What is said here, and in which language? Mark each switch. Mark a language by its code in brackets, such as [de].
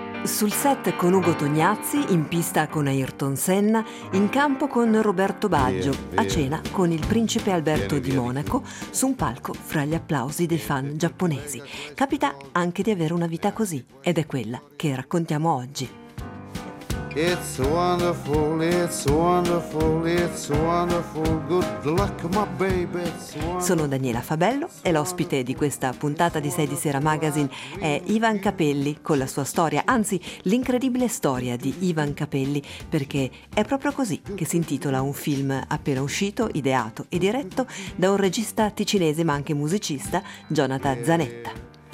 [it] Sul set con Ugo Tognazzi, in pista con Ayrton Senna, in campo con Roberto Baggio, via, via. A cena con il principe Alberto di Monaco, su un palco fra gli applausi dei fan giapponesi. Capita anche di avere una vita così, ed è quella che raccontiamo oggi. [en] It's wonderful, it's wonderful, it's wonderful, good luck my baby. [it] Sono Daniela Fabello e l'ospite di questa puntata di 6 di Sera Magazine è Ivan Capelli, con la sua storia, anzi l'incredibile storia di Ivan Capelli, perché è proprio così che si intitola un film appena uscito, ideato e diretto da un regista ticinese ma anche musicista, Jonathan Zanetta.